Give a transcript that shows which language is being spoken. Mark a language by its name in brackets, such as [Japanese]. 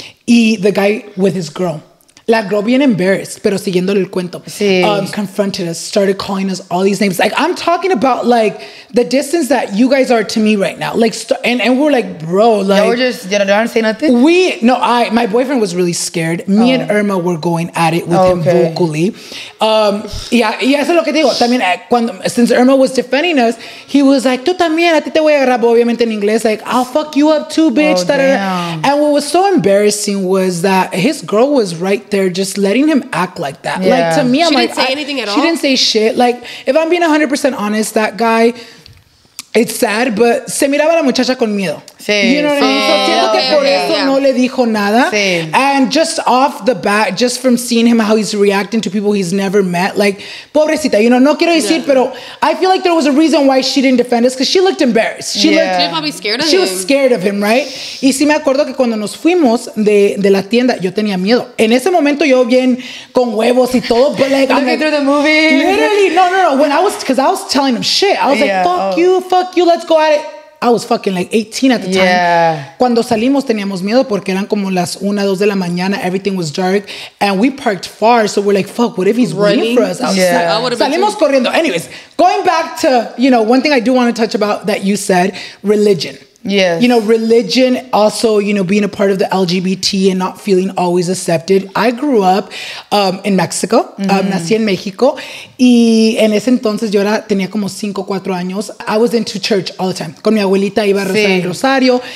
[English] Y the guy with his girl. La girl being embarrassed, [Spanish] pero siguiéndole el cuento, [English] confronted us, started calling us all these names. Like, I'm talking about, like, the distance that you guys are to me right now. Like, and we're like, bro, like... Y'all were just, you know, don't say nothing? My boyfriend was really scared. Me and Irma were going at it with him vocally. [Spanish] Yeah, eso es lo que digo. También, [English] since Irma was defending us, he was like, [Spanish] tú también, a ti te voy a agarrar, obviamente, en inglés. [English] Like, I'll fuck you up too, bitch. Oh, damn. And what was so embarrassing was that his girl was right there just letting him act like that. Yeah. Like, to me, I'm she like, she didn't say anything at all. She didn't say shit. Like, if I'm being 100% honest, that guy, it's sad, but [Spanish] se miraba la muchacha con miedo. Sí. [English] You know what I mean? So [Spanish] siento que por eso no le dijo nada. Sí. [English] And just off the bat, just from seeing him, how he's reacting to people he's never met, like, pobrecita, you know, [Spanish] no quiero decir, pero [English] I feel like there was a reason why she didn't defend us, because she looked embarrassed. She looked, she was probably scared of him. She was scared of him, right? [Spanish] Y sí me acuerdo que cuando nos fuimos de la tienda, yo tenía miedo. En ese momento yo bien con huevos y todo, [English] but like, looking through the movie. Literally, no. When I was, because I was telling him shit, I was like, fuck you, let's go at it. I was fucking like 18 at the time. [Spanish] Cuando salimos teníamos miedo porque eran como las 1, 2 de la mañana. [English] Everything was dark. And we parked far. So we're like, fuck, what if he's running? Waiting for us? [Spanish] Salimos corriendo. [English] Anyways, going back to, you know, one thing I do want to touch about that you said, religion. Yes. You know, religion, also, you know, being a part of the LGBT and not feeling always accepted. I grew up in Mexico. Mm-hmm. [Spanish] Nací en México. Y en ese entonces, yo era, tenía como 5-4 años. [English] I was into church all the time. [Spanish] Con mi abuelita iba a rezar el rosario.